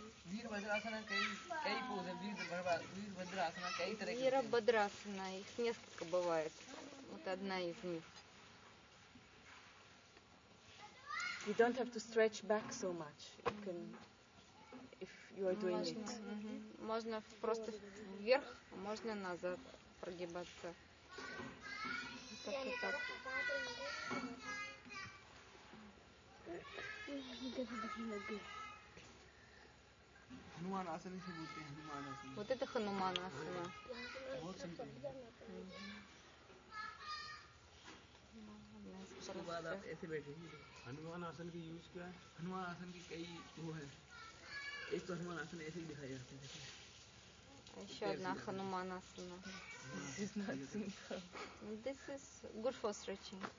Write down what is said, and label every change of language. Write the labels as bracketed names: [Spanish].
[Hindi] Virabhadrasana, kai pose. Virabhadrasana, kai tarah. [Russian] Virabhadrasana. Их несколько бывает. Вот одна из них. [English] You don't have to stretch back so much. You can, if you are doing it. [Russian] Можно просто вверх, можно назад прогибаться. Как-то так. Хануманасана еще будет. Хануманасана. Вот это Хануманасана. [Hindi] उसके बाद आप ऐसे बैठेंगे। हनुमान आसन की use क्या है? हनुमान आसन की कई वो है, एक तो हनुमान आसन ऐसे ही दिखाई जाते [Russian] हैं। еще одна хануман асана. [English] This is good for stretching.